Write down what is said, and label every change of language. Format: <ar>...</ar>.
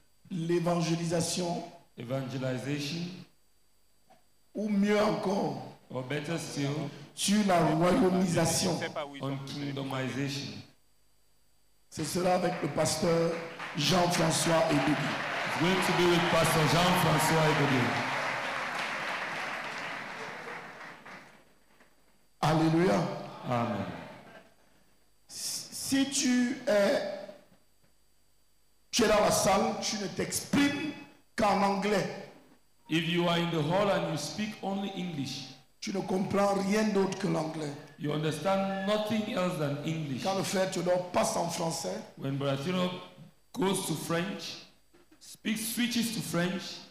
<fr>l'évangélisation,</fr> <en>evangelization,</en> <fr>ou mieux encore,</fr> <en>or better still,</en> <fr>sur la royalisation,</fr> <en>on kingdomization.</en> <fr>Ce sera avec le pasteur Jean-François Ebédi.</fr> <en>It's going to be with Pastor Jean-François Ebédi. Alléluia. Amen.</en> <fr>Si tu es dans la salle, tu ne t'exprimes qu'en anglais.</fr> <en>If you are in the hall and you speak only English,</en> <fr>tu ne comprends rien d'autre que l'anglais.</fr> <en>You understand nothing else than English.</en> <fr>Quand le frère Théodore passe en français,</fr> <en>when Bratino goes to French, speaks, switches to French,</en>